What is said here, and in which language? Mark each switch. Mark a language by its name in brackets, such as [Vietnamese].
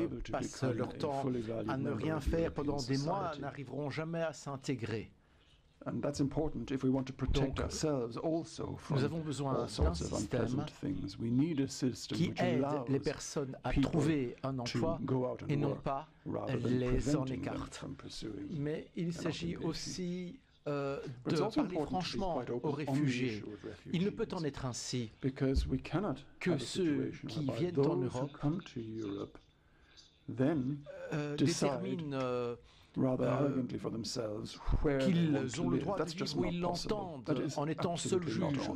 [French] Passent leur temps à ne rien faire pendant des mois, n'arriveront jamais à s'intégrer. [English] And that's important if we want to protect ourselves also from all sorts of unpleasant things. We need a system [French] qui aide les personnes à trouver un emploi et non pas les en écarte. Mais il s'agit aussi de parler franchement aux réfugiés. Il ne peut en être ainsi que ceux qui viennent en Europe déterminent qu'ils ont le droit de vivre où ils l'entendent en étant seul juge.